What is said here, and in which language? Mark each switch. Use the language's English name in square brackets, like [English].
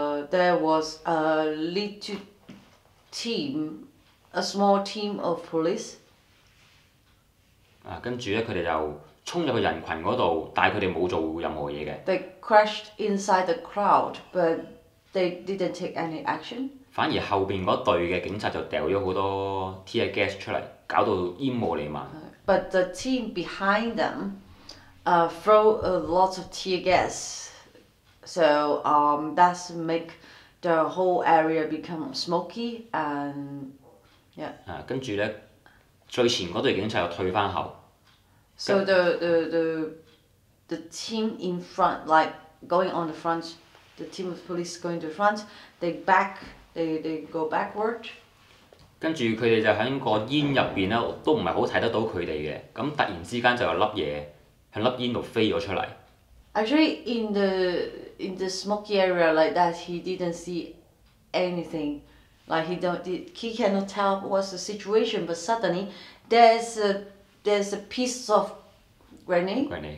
[English] There was a little team, a small team of police. [Cantonese] 跟住咧，佢哋就衝入去人群嗰度，但係佢哋冇做任何嘢嘅。 [English] They crashed inside the crowd, but they didn't take any action. [Cantonese] 反而後面嗰隊嘅警察就掉咗好多 tear gas 出嚟，搞到煙霧瀰漫。 [English] But the team behind them, throw a lot of tear gas, so that's make the whole area become smoky and yeah. [Cantonese] 啊，跟住咧，最前嗰隊警察又退翻後。 [English] So the team in front, like going on the front, the team of police going to the front, they go backward. [Cantonese] 跟住佢哋就喺個煙入邊咧，都唔係好睇得到佢哋嘅。咁突然之間就有粒嘢喺粒煙度飛咗出嚟。 [English] Actually, in the smoky area like that, he didn't see anything. Like he cannot tell what's the situation. But suddenly, there's a piece of grenade.